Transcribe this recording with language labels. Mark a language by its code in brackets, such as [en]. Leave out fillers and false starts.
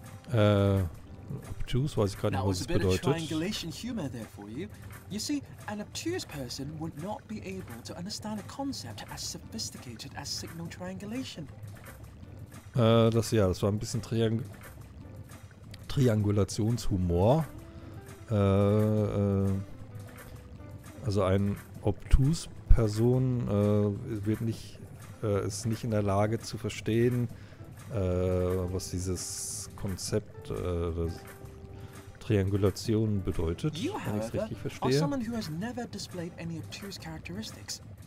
[de] Obtuse, weiß ich gerade nicht, was es bedeutet. [en] Now, a bit of triangulation humor there for you. You see, an obtuse person would not be able to understand a concept as sophisticated as signal triangulation. [de] Das war ein bisschen Triangulationshumor. Also ein obtuse Person wird nicht ist nicht in der Lage zu verstehen, was dieses Konzept der Triangulation bedeutet, wenn ich es richtig verstehe. [en] Are someone who has never displayed any obtuse characteristics.